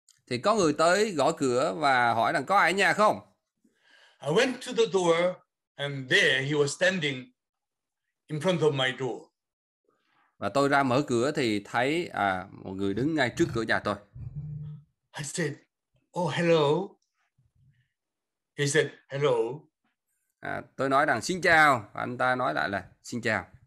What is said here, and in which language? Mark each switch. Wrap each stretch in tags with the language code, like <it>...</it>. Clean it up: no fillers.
<vi>Thì có người tới gõ cửa và hỏi rằng có ai ở nhà không?</vi> <en>I went to the door and there he was standing in front of my door.</en> <vi>Và tôi ra mở cửa thì thấy một người đứng ngay trước cửa nhà tôi.</vi> <en>I said, oh, hello. He said, hello.</en> <vi>Tôi nói rằng xin chào. Và anh ta nói lại là xin chào.</vi>